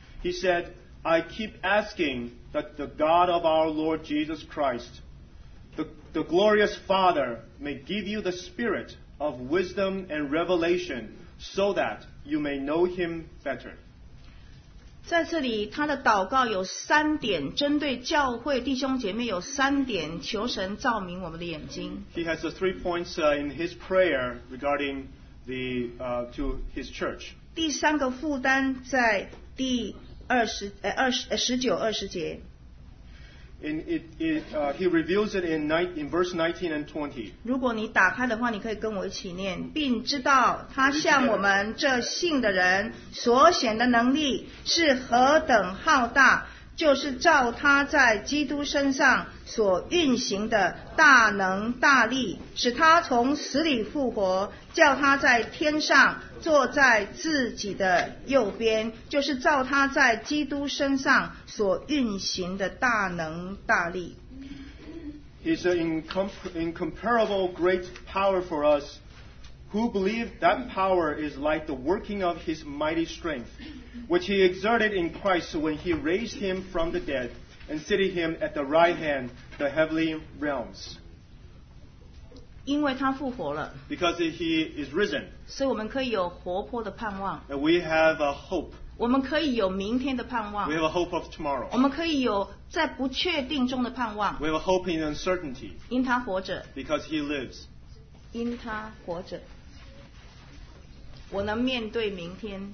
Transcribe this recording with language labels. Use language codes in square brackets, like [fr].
[en] He said, I keep asking that the God of our Lord Jesus Christ, the glorious Father, may give you the spirit of wisdom and revelation so that you may know him better. [zh] 在这里他的祷告有三点，针对教会弟兄姐妹有三点，求神照明我们的眼睛。 [en] He has the three points in his prayer regarding to his church. [zh] 第三个负担在第19-20节。 [en] He reveals it in verse 19 and 20. [zh] 如果你打开的话，你可以跟我一起念，并知道他向我们这信的人所显的能力是何等浩大，就是照他在基督身上所运行的大能大力，使他从死里复活，叫他在天上坐在自己的右边，就是照他在基督身上所运行的大能大力。 [en] He's an incomparable great power for us who believe. That power is like the working of his mighty strength, which he exerted in Christ when he raised him from the dead and seated him at the right hand the heavenly realms. [zh] 因为他复活了， [en] because he is risen, [zh] 所以我们可以有活泼的盼望， [en] and we have a hope. [zh] 我们可以有明天的盼望， [en] we have a hope of tomorrow. [zh] 我们可以有在不确定中的盼望， [en] we have a hope in uncertainty. [zh] 因他活着， [en] because he lives. [zh] 因他活着，我能面对明天，